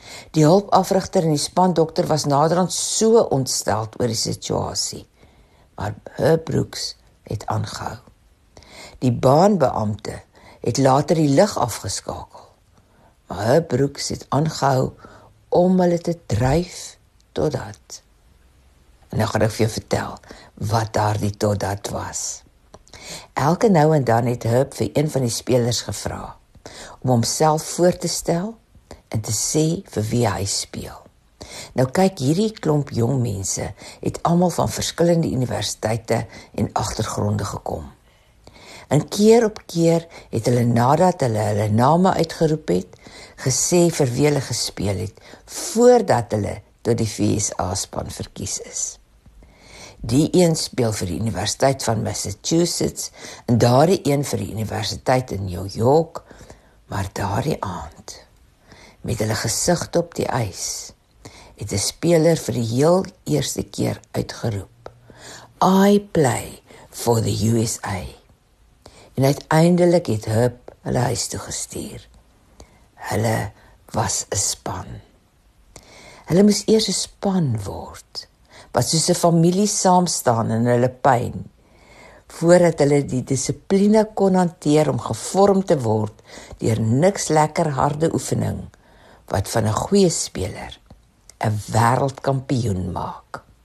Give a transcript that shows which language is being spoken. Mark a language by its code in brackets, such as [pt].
[af] Die hulpafrigter en die spandokter was naderhand so ontsteld oor die situasie, maar Herb Brooks het aangehou. Die baanbeampte het later die lig afgeskakel, maar Herb Brooks het aangehou om hulle te dryf totdat. En nou gaan ek vir jou vertel wat daardie totdat was. Elke nou en dan het Herb vir een van die spelers gevra om homself voor te stel en te sê vir wie hy speel. Nou kyk, hierdie klomp jong mense het allemaal van verskillende universiteite en agtergronde gekom. En keer op keer het hulle nadat hulle hulle name uitgeroep het, gesê vir wie hulle gespeel het, voordat hulle tot die VSA-span verkies is. Die een speel vir die Universiteit van Massachusetts en daardie een vir die Universiteit in New York, maar daardie aand, met hulle gesigte op die ys, het 'n speler vir die heel eerste keer uitgeroep, [en] I play for the USA. [af] En uiteindelik het Herb hulle huis toe gestuur. Hulle was 'n span. Hulle moes eers 'n span word, wat soos 'n familie saamstaan in hulle pyn, voordat hulle die dissipline kon hanteer om gevorm te word deur niks lekker harde oefening, wat van 'n goeie speler 'n wêreldkampioen maak.